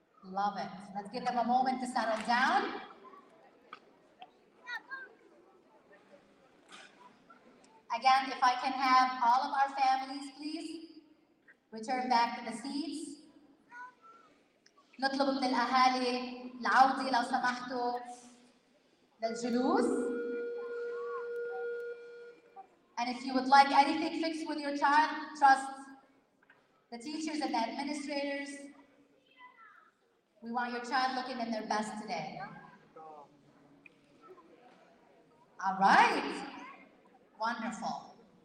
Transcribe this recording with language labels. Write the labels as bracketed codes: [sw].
[en] Love it. Let's give them a moment to settle down. Again, if I can have all of our families, please return back to the seats. [ar] نطلب من الأهالي العودة لو سمحتوا للجلوس. [en] And if you would like anything fixed with your child, trust the teachers and the administrators. We want your child looking in their best today. All right. Wonderful.